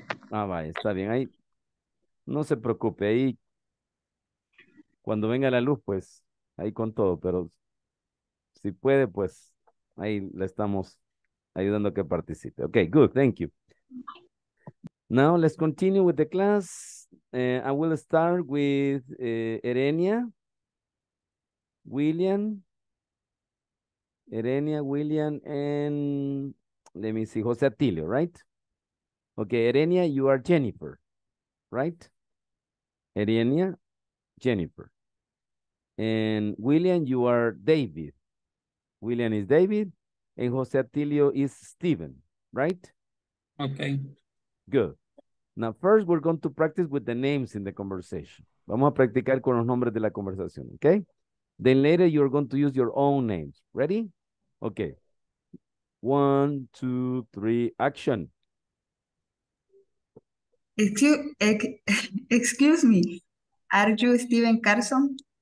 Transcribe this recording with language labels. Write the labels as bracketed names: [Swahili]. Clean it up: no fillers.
[Spanish] Ah, vaya, está bien. Ahí, no se preocupe. Ahí, cuando venga la luz, pues, ahí con todo, pero... Si puede, pues, ahí le estamos ayudando a que participe. [English] Okay, good, thank you. Now, let's continue with the class. I will start with Erenia, William, and let me see, Jose Atilio, right? Okay, Erenia, you are Jennifer, right? Erenia, Jennifer. And William, you are David. William is David, and Jose Atilio is Stephen, right? Okay. Good. Now, first, we're going to practice with the names in the conversation. [Spanish] Vamos a practicar con los nombres de la conversación, okay? [English] Then later, you're going to use your own names. Ready? Okay. 1, 2, 3, action. Excuse me, are you Stephen Carson?